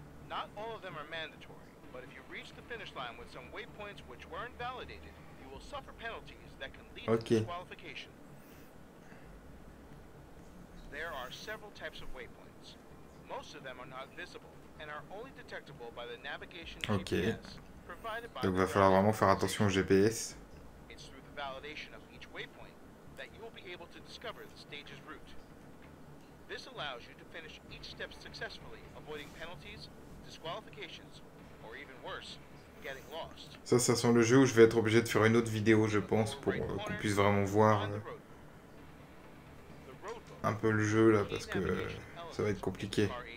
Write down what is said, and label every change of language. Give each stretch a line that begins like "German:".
English: Not all of them are mandatory, but if you reach the finish line with some waypoints which weren't validated, you will suffer penalties that can lead to disqualification. There are several types of waypoints. Most of them are not visible and are only detectable by the navigation GPS provided by.
French: Donc va falloir vraiment faire attention au GPS.
English: It's through the validation of each waypoint that you will be able to discover the stage's route. This allows you to finish each step successfully, avoiding penalties, disqualifications, or even worse, getting lost.
French: Ça, ça sent le jeu où je vais être obligé de faire une autre vidéo, je pense, pour qu'on puisse vraiment voir un peu le jeu là, parce que ça va être compliqué.